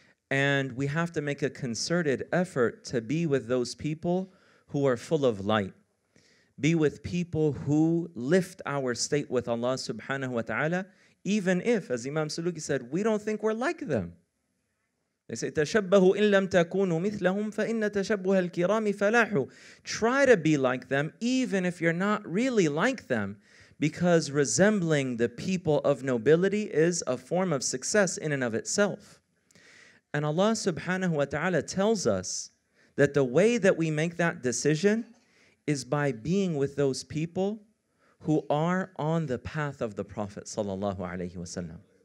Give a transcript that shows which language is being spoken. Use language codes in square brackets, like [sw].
[en] And we have to make a concerted effort to be with those people who are full of light. Be with people who lift our state with Allah subhanahu wa ta'ala, even if, as Imam Suluki said, we don't think we're like them. They say, [ar] تَشَبَّهُ إِن لَمْ تَكُونُوا مِثْلَهُمْ فَإِنَّ تَشَبُّهَ الْكِرَامِ فَلَاحُ. [en] Try to be like them, even if you're not really like them, because resembling the people of nobility is a form of success in and of itself. And Allah subhanahu wa ta'ala tells us that the way that we make that decision is by being with those people who are on the path of the Prophet sallallahu alayhi wa sallam.